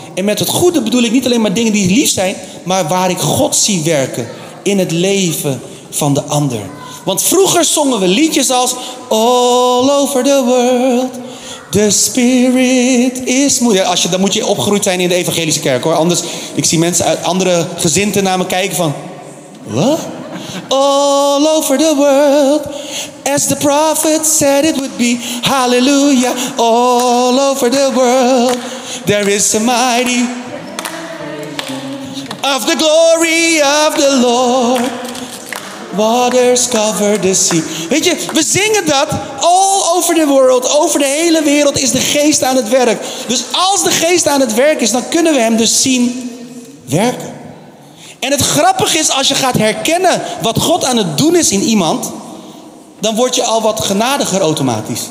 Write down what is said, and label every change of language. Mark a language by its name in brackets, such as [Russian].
[Dutch] En met het goede bedoel ik niet alleen maar dingen die lief zijn, maar waar ik God zie werken in het leven van de ander. Want vroeger zongen we liedjes als [English] all over the world, the spirit is... [Dutch] Ja, als je, dan moet je opgegroeid zijn in de evangelische kerk hoor. Anders, ik zie mensen uit andere gezinten naar me kijken van... Wat? [English] All over the world, as the prophet said it would be, hallelujah, all over the world, there is a mighty of the glory of the Lord, waters cover the sea. [Dutch] Weet je, we zingen dat, [English] all over the world, [Dutch] over de hele wereld is de geest aan het werk. Dus als de geest aan het werk is, dan kunnen we hem dus zien werken. En het grappige is, als je gaat herkennen wat God aan het doen is in iemand, dan word je al wat genadiger automatisch.